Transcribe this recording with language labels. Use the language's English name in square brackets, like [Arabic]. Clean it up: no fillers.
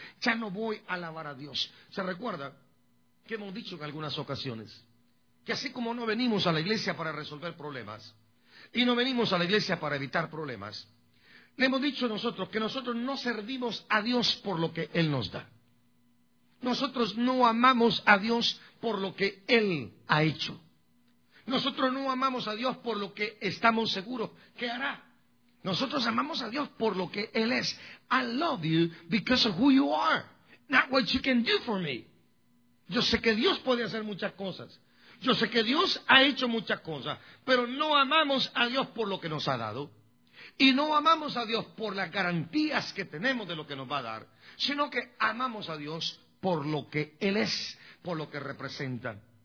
[Spanish] Ya no voy a alabar a Dios. ¿Se recuerda que hemos dicho en algunas ocasiones que así como no venimos a la iglesia para resolver problemas y no venimos a la iglesia para evitar problemas, le hemos dicho nosotros que nosotros no servimos a Dios por lo que Él nos da. Nosotros no amamos a Dios por lo que Él ha hecho. Nosotros no amamos a Dios por lo que estamos seguros que hará. Nosotros amamos a Dios por lo que Él es. [English] I love you because of who you are, not what you can do for me. [Spanish] Yo sé que Dios puede hacer muchas cosas. Yo sé que Dios ha hecho muchas cosas. Pero no amamos a Dios por lo que nos ha dado. Y no amamos a Dios por las garantías que tenemos de lo que nos va a dar. Sino que amamos a Dios por lo que Él es, por lo que representa.